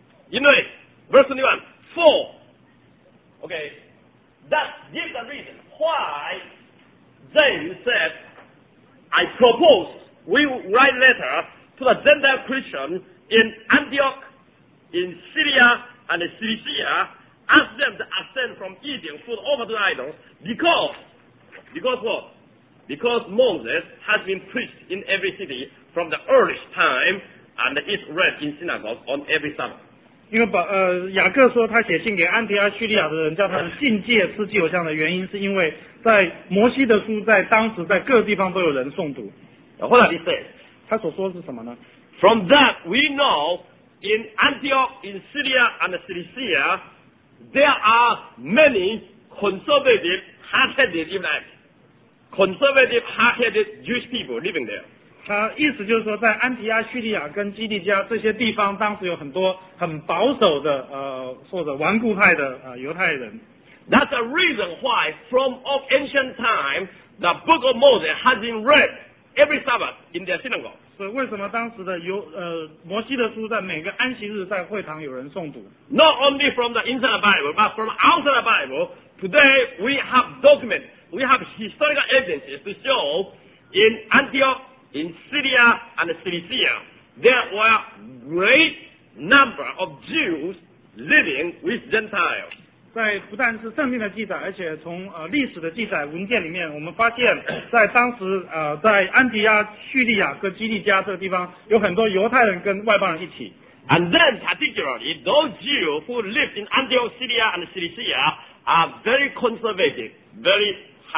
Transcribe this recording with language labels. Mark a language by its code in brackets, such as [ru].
[zh] 因为 [en] verse 21 for okay that gives the reason why James said I propose we write letter to the Gentile Christian in Antioch in Syria and Cilicia ask them to abstain from eating food offered to idols because what? Because Moses has been preached in every city from the earliest time and is read in synagogue on every Sabbath. [zh] 因为雅各说他写信给安提阿叙利亚的人叫他们禁戒吃祭偶像的原因是因为在摩西的书在当时在各地方都有人诵读。 [en] What did he say? [zh] 他所说是什么呢 [en] ?From that we know in Antioch, in Syria and Cilicia, there are many conservative, hard-headed Israelites. Conservative, hard-headed Jewish people living there. [zh] 他意思就是说，在安提阿、叙利亚跟基利加这些地方，当时有很多很保守的或者顽固派的犹太人。 [en] That's the reason why, from of ancient time, the Book of Moses has been read every Sabbath in their synagogue. [zh] 所以为什么当时的摩西的书在每个安息日在会堂有人诵读 [en] ？Not only from the inside Bible, but from outside Bible. Today we have documents. We have historical evidences to show in Antioch, in Syria and Cilicia, there were great number of Jews living with Gentiles. [zh] 在不但是圣经的记载，而且从历史的记载文件里面，我们发现，在当时在安提阿、叙利亚和基利加这个地方，有很多犹太人跟外邦人一起。 [en] And then particularly those Jews who lived in Antioch, Syria and Cilicia are very conservative, very.